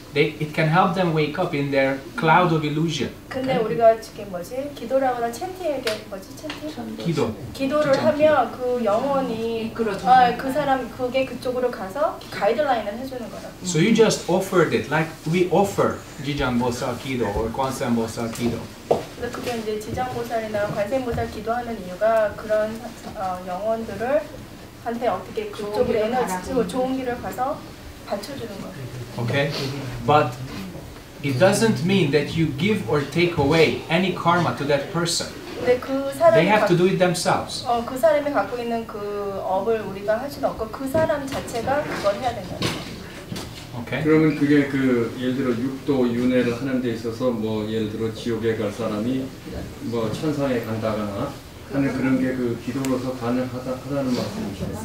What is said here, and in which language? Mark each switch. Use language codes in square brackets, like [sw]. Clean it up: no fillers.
[en] It can help them wake up in their cloud of illusion. [ko] 근데 [en] okay? [ko] 우리가 이게 뭐지? 기도라거나 챈팅에게 뭐지? 챈팅? 기도. 기도를 하면 그 영혼이 그 사람 그게 그쪽으로 가서 가이드라인을 해주는 거라. [en] So you just offered it, like we offer Jijang Bosa Kido or Kwansan Bosa Kido. [ko] 그게 이제 지장 보살이나 관세음 보살 기도하는 이유가 그런 영혼들을 한테 어떻게 그쪽으로 에너지로 좋은 길을 가서 받쳐주는 거예요. [en] Okay, but it doesn't mean that you give or take away any karma to that person. They have to do it themselves. [ko] 그 사람이 갖고 있는 그 업을 우리가 할 수는 없고 그 사람 자체가 그걸 해야 되는 거죠. [en] Okay. [ko] 그러면 그게 그 예를 들어 육도 윤회를 하는 데 있어서 뭐 예를 들어 지옥에 갈 사람이 뭐 천상에 간다거나 하는 그런 게 그 기도로서 가능하다는 말씀이시죠?